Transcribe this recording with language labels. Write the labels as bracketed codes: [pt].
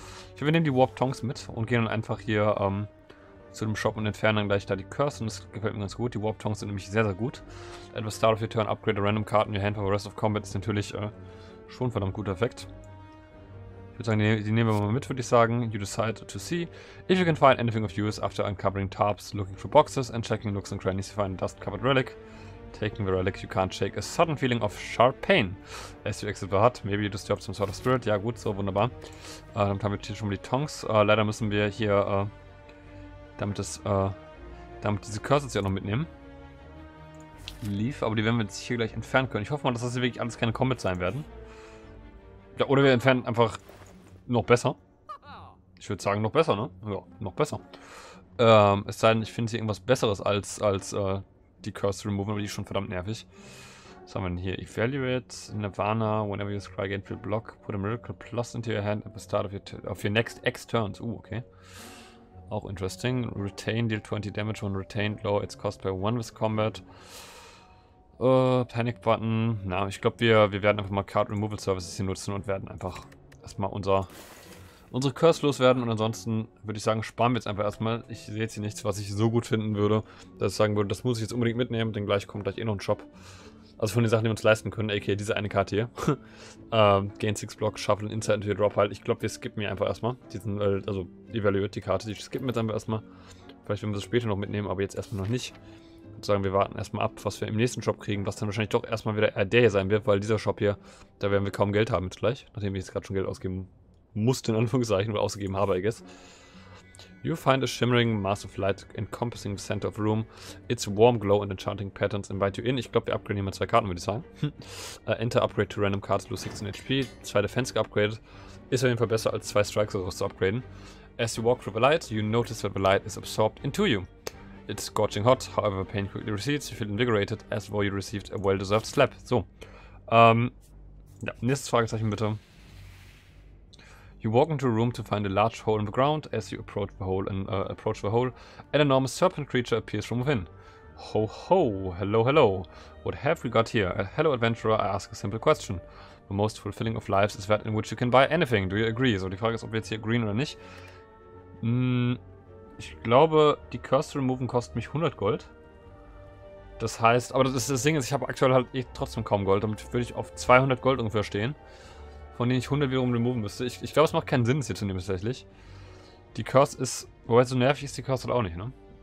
[de] Ich glaube, wir nehmen die Warp Tongs mit und gehen dann einfach hier zu dem Shop und entfernen dann gleich da die Curse. Und das gefällt mir ganz gut. Die Warp Tongs sind nämlich sehr, sehr gut. [en] At the start of your turn, upgrade a random card in your hand for the rest of combat [de] ist natürlich schon ein verdammt guter Effekt. Ich würde sagen, die nehmen wir mal mit, würde ich sagen. [en] You decide to see. If you can find anything of use after uncovering tarps, looking for boxes and checking nooks and crannies, you find a dust-covered relic. Taking the relic you can't shake. A sudden feeling of sharp pain. As you exit the hut, maybe you disturb some sort of spirit. [de] Ja gut, so wunderbar. Damit haben wir hier schon die Tongs. Leider müssen wir hier, damit diese Curses ja noch mitnehmen. Lief, aber die werden wir jetzt hier gleich entfernen können. Ich hoffe mal, dass das hier wirklich alles keine Combat sein werden. Ja, oder wir entfernen einfach noch besser. Ich würde sagen, noch besser, ne? Ja, noch besser. Es sei denn, ich finde hier irgendwas Besseres als die Curse zu removen, aber die ist schon verdammt nervig. Was haben wir denn hier? [en] Evaluate, Nirvana, whenever you scry gain, free block, put a miracle plus into your hand at the start of your next X turns. Okay. [de] Auch [en] interesting. Retain, deal 20 damage when retained, lower its cost by 1 with combat. Panic Button. [de] Na, ich glaube, wir werden einfach mal Card Removal Services hier nutzen und werden einfach erstmal unsere Curse loswerden. Und ansonsten würde ich sagen, sparen wir jetzt einfach erstmal. Ich sehe jetzt hier nichts, was ich so gut finden würde, dass ich sagen würde, das muss ich jetzt unbedingt mitnehmen, denn gleich kommt gleich eh noch ein Shop. Also von den Sachen, die wir uns leisten können, aka diese eine Karte hier. [en] Gain 6 Block, Shuffle, Insight into your Drop [de] halt. Ich glaube, wir skippen hier einfach erstmal. Evaluate die Karte, die skippen wir jetzt einfach erstmal. Vielleicht werden wir sie später noch mitnehmen, aber jetzt erstmal noch nicht. Sagen wir warten erstmal ab, was wir im nächsten Shop kriegen, was dann wahrscheinlich doch erstmal wieder der hier sein wird, weil dieser Shop hier, da werden wir kaum Geld haben jetzt gleich, nachdem ich jetzt gerade schon Geld ausgeben musste, in Anführungszeichen, oder ausgegeben habe, [en] I guess. You find a shimmering mass of light encompassing the center of room. Its warm glow and enchanting patterns invite you in. [de] Ich glaube, wir upgraden hier mal zwei Karten, würde ich sagen. [en] Enter upgrade to random cards, lose 16 HP. [de] Zwei Defense geupgradet. Ist auf jeden Fall besser als zwei Strikes daraus zu upgraden. [en] As you walk through the light, you notice that the light is absorbed into you. It's scorching hot, however pain quickly recedes, you feel invigorated, as though you received a well-deserved slap. [de] So, nächstes Fragezeichen bitte. [en] You walk into a room to find a large hole in the ground. As you approach the hole, an enormous serpent creature appears from within. Ho ho, hello hello, what have we got here? Hello adventurer, I ask a simple question. The most fulfilling of lives is that in which you can buy anything, do you agree? [de] So, die Frage ist, ob wir jetzt hier green oder nicht. Ich glaube, die Curse Removen kostet mich 100 Gold. Das heißt, aber das Ding ist, ich habe aktuell halt trotzdem kaum Gold. Damit würde ich auf 200 Gold ungefähr stehen. Von denen ich 100 wiederum removen müsste. Ich glaube, es macht keinen Sinn, es hier zu nehmen, tatsächlich. Die Curse ist, wobei so nervig ist die Curse halt auch nicht, ne?